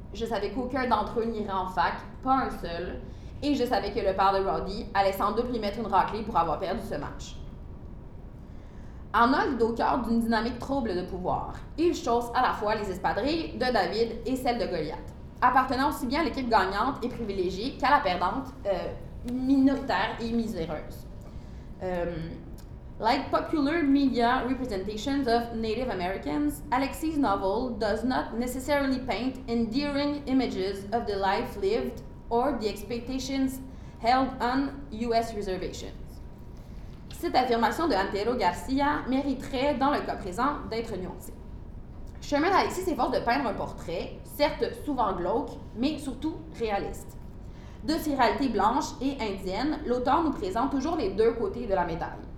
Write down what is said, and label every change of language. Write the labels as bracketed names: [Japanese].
[French] Je savais qu'aucun d'entre eux n'irait en fac, pas un seul. » Et je savais que le père de Rowdy allait sans doute lui mettre une raclée pour avoir perdu ce match. Arnold est au cœur d'une dynamique trouble de pouvoir. Il chausse à la fois les espadrilles de David et celles de Goliath, appartenant aussi bien à l'équipe gagnante et privilégiée qu'à la perdante minoritaire et miséreuse. [English] Like popular media representations of Native Americans, Alexis' novel does not necessarily paint endearing images of the life lived or the expectations held on U.S. reservations. [French] Cette affirmation de Antero Garcia mériterait, dans le cas présent, d'être nuancée. Chemin d'Alexis s'efforce de peindre un portrait, certes souvent glauque, mais surtout réaliste. De ses réalités blanches et indiennes, l'auteur nous présente toujours les deux côtés de la médaille.